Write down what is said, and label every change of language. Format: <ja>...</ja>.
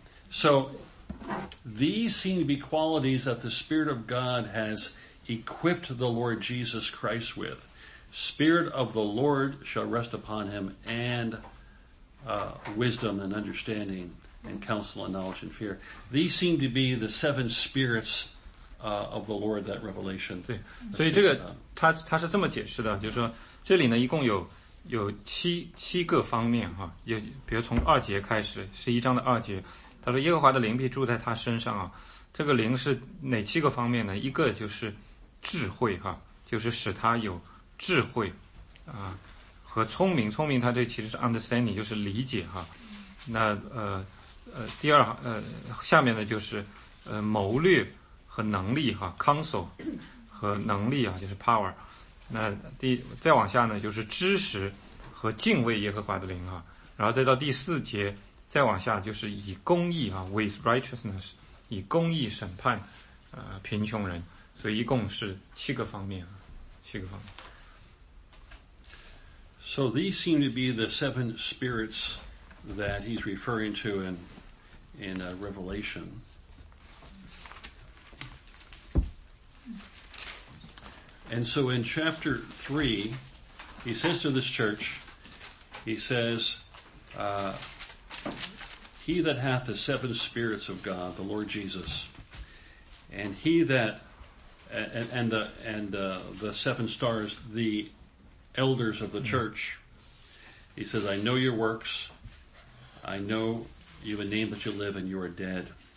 <en>So these seem to be qualities that the Spirit of God has equipped the Lord Jesus Christ with. Spirit of the Lord shall rest upon him, and wisdom and understanding and counsel and knowledge and fear. These seem to be the seven spirits of the Lord, that revelation.</en> <zh>对，所以这个他是这么解释的，就是说这里呢一共有七个方面哈，有比如从二节开始，十一章的二节，他说耶和华的灵必住在他身上啊，这个灵是哪七个方面呢？一个就是智慧哈，就是使他有智慧啊和聪明，聪明他这其实是 understanding， 就是理解哈。那第二下面呢就是谋略和能力哈 counsel 和能力啊，就是 power。那再往下呢就是知识和敬畏耶和华的灵哈，然后再到第四节再往下就是以公义哈</zh> <en>with righteousness，</en> <zh>以公义审判贫穷人，所以一共是七个方面，七个方面。</zh> <en>So these seem to be the seven spirits that he's referring to in Revelation. And so in chapter 3, he says to this church, he says, he that hath the seven spirits of God, the Lord Jesus, and he that, and the seven stars, the elders of the church, he says, I know your works, I know you have a name that you live and you are dead.</en>